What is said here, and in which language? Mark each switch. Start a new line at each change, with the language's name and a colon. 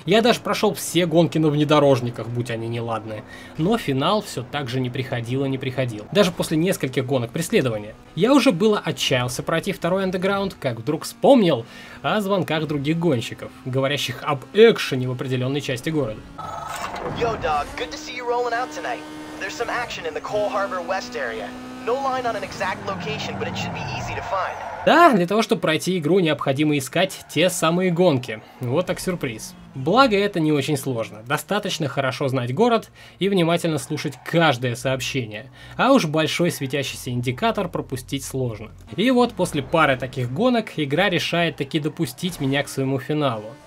Russian: Я даже прошел все гонки на внедорожниках, будь они неладны. Но финал все так же не приходил и не приходил. Даже после нескольких гонок преследования. Я уже было отчаялся пройти второй Underground, как вдруг вспомнил о звонках других гонщиков, говорящих об экшене в определенной части города.
English: Yo, dog, good to see you rolling out tonight. There's some action in the Cole Harbor West area. No line on an exact location, but it should be easy to find.
Russian: Да, для того, чтобы пройти игру, необходимо искать те самые гонки. Вот так сюрприз. Благо, это не очень сложно. Достаточно хорошо знать город и внимательно слушать каждое сообщение. А уж большой светящийся индикатор пропустить сложно. И вот после пары таких гонок, игра решает таки допустить меня к своему финалу.